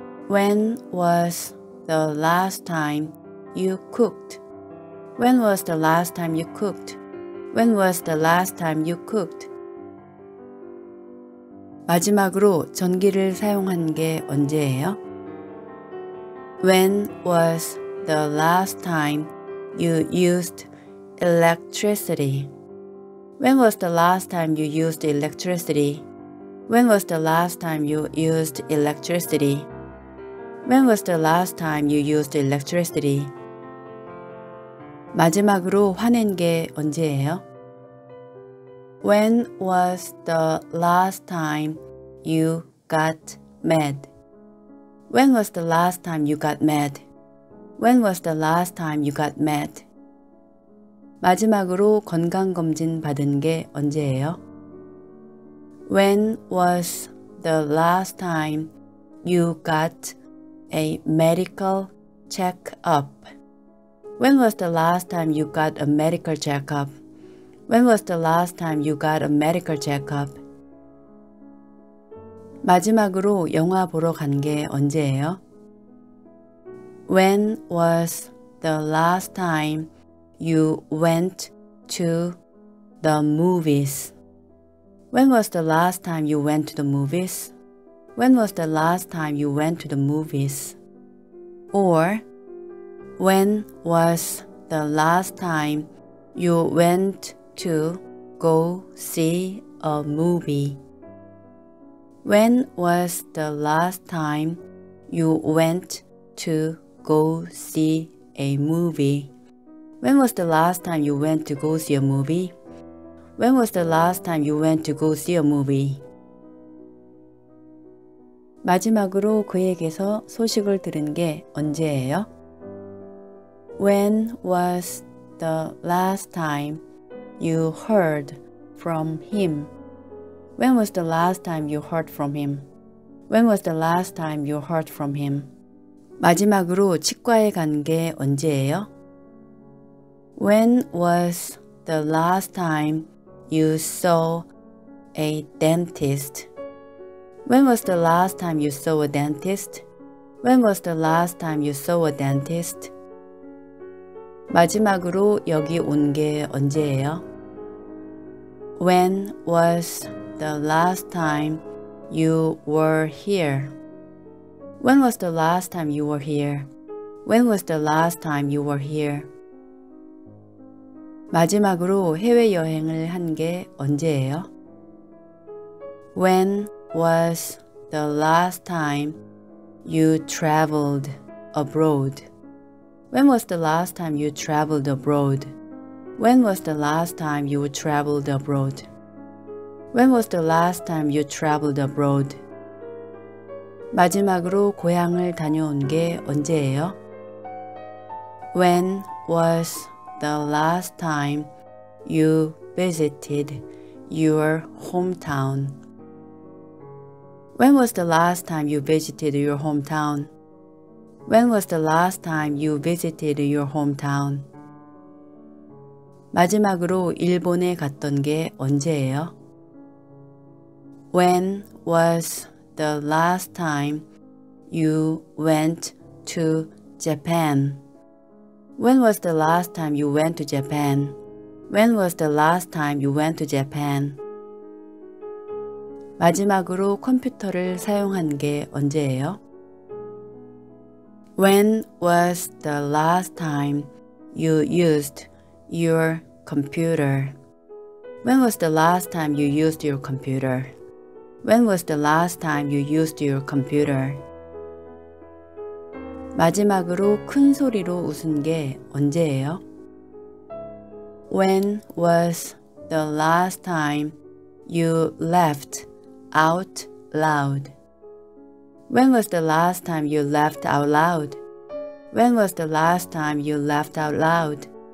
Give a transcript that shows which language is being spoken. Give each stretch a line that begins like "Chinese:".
English: When was the last time you cooked? When was the last time you cooked? When was the last time you cooked?
Korean: 마지막으로 전기를 사용한 게 언제예요?
English: When was the last time you used electricity? When was the last time you used electricity? When was the last time you used electricity? When was the last time you used electricity?
Korean: 마지막으로 화낸 게 언제예요?
English: When was the last time you got mad? When was the last time you got mad? When was the last time you got mad?
Korean: 마지막으로 건강검진 받은 게 언제예요?
English: When was the last time you got a medical check-up? When was the last time you got a medical check-up? When was the last time you got a medical check-up?
Korean: 마지막으로 영화 보러 간 게 언제예요?
English: When was the last time you went to the movies? When was the last time you went to the movies? When was the last time you went to the movies? Or, when was the last time you went to go see a movie? When was the last time you went to go see a movie? When was the last time you went to go see a movie? When was the last time you went to go see a movie?
Korean: 마지막으로 그에게서 소식을 들은 게 언제예요?
English: When was the last time you heard from him? When was the last time you heard from him? When was the last time you heard from him?
Korean: 마지막으로 치과에 간 게 언제예요?
English: When was the last time you saw a dentist? When was the last time you saw a dentist? When was the last time you saw a dentist?
Korean: 마지막으로 여기 온 게 언제예요?
English: When was the last time you were here? When was the last time you were here? When was the last time you were here?
Korean: 마지막으로 해외여행을 한 게 언제예요?
English: When was the last time you traveled abroad? When was the last time you traveled abroad? When was the last time you traveled abroad? When was the last time you traveled abroad?
Korean: 마지막으로 고향을 다녀온 게 언제예요?
English: When was the last time you visited your hometown? When was the last time you visited your hometown? When was the last time you visited your hometown?
Korean: 마지막으로 일본에 갔던 게 언제예요?
English: When was the last time you went to Japan? When was the last time you went to Japan? When was the last time you went to Japan?
Korean: 마지막으로 컴퓨터를 사용한 게 언제예요?
English: When was the last time you used your computer? When was the last time you used your computer? When was the last time you used your computer?
Korean: 마지막으로 큰 소리로 웃은 게 언제예요?
English: When was the last time you laughed out loud? When was the last time you laughed out loud? When was the last time you laughed out loud?